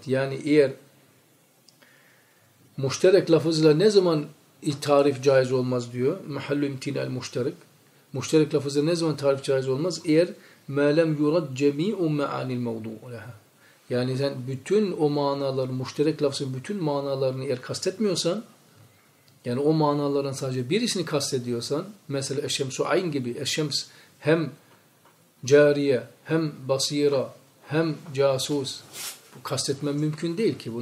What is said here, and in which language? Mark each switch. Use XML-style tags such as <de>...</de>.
<tr>Yani eğer müşterek lafızıyla ne zaman tarif caiz olmaz diyor.</tr> <ar>مَحَلُّ اِمْتِنَاءِ الْمُشْتَرَكِ</ar> <tr>müşterek lafızıyla ne zaman tarif caiz olmaz? Eğer</tr> <ar>مَا لَمْ يُرَدْ جَمِيعُ مَعَانِ الْمَوْضُوعِ لَهَا.</ar> <tr>Yani sen bütün o manalar, müşterek lafızın bütün manalarını eğer kastetmiyorsan, yani o manaların sadece birisini kastediyorsan, mesela eşemsu ayn gibi, eşems hem cariye, hem basira, hem casus, bu kastetmem mümkün değil ki.</tr>